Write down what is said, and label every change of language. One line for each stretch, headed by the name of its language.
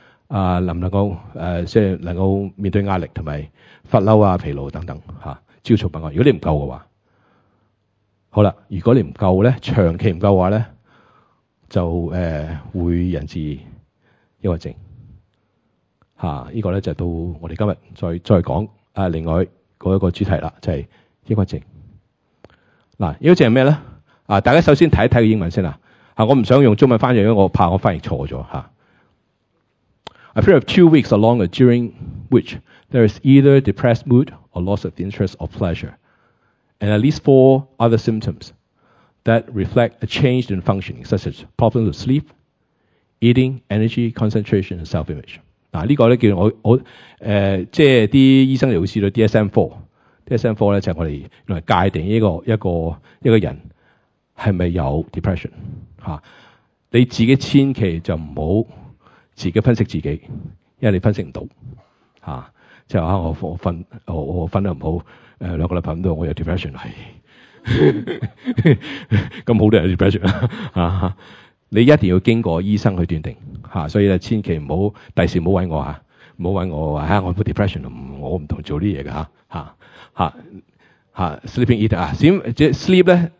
Cantonese: 啊，能夠面對壓力同埋發嬲啊、疲勞等等嚇、啊，焦躁不安。如果你唔夠嘅話，好啦，如果你唔夠咧，長期唔夠嘅話咧，就會引致抑鬱症嚇。啊這個、呢個咧就到我哋今日再講另外嗰一個主題啦，就係、是、抑鬱症。嗱、啊，抑鬱症係咩咧？啊，大家首先睇一睇個英文先啦、啊。我唔想用中文翻譯，因為我怕我翻譯錯咗嚇。
English: 啊A period of 2 weeks or longer during which there is either depressed mood or loss of interest or pleasure, and at least 4 other symptoms that reflect a change in functioning, such as problems with sleep, eating, energy, concentration, and self-image.
Cantonese: 嗱、啊，呢、这个咧叫我即系啲医生又会知道 DSM-4。 DSM-4 咧就系我哋用嚟界定一个人系咪有 depression 吓、啊。你自己千祈就唔好。自己分析自己，因為你分析唔到嚇，即係我瞓得唔好，兩個禮拜咁多，我有 depression 係，咁好多人有 depression 啊，你一定要經過醫生去斷定嚇、啊，所以咧千祈唔好第時唔好揾我嚇，唔好揾我話嚇、啊、我有 depression， 我唔同做啲嘢㗎嚇嚇嚇 sleeping eater 啊，點即係 sleep 咧？